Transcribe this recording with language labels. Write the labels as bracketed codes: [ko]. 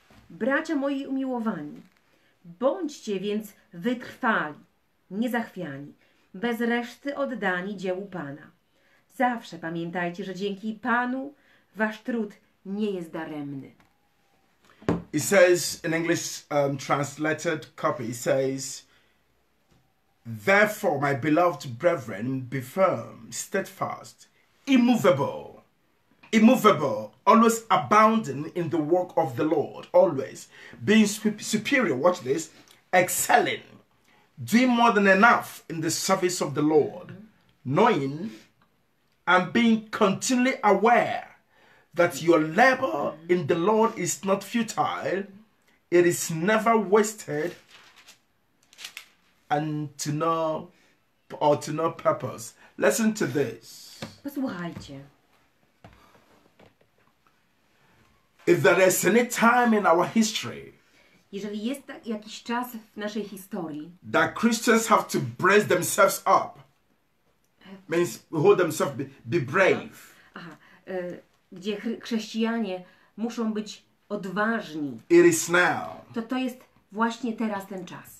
[pl] Bracia moi umiłowani, bądźcie więc wytrwali, niezachwiani, bez reszty oddani dziełu Pana. Zawsze pamiętajcie, że dzięki Panu wasz trud nie jest daremny. [en] It says in English translated copy, it says, therefore, my beloved brethren, be firm, steadfast, immovable. Immovable, always abounding in the work of the Lord, always being superior, watch this, excelling, doing more than enough in the service of the Lord, knowing and being continually aware that your labor in the Lord is not futile, it is never wasted, and to no purpose. Listen to this. [pl] Posłuchajcie. [en] If there is any time in our history, [pl] jeżeli jest jakiś czas w naszej historii, [en] that Christians have to brace themselves up, means hold themselves, be brave. [pl] Gdzie chrześcijanie muszą być odważni. [en] It is now. [pl] To jest właśnie teraz ten czas.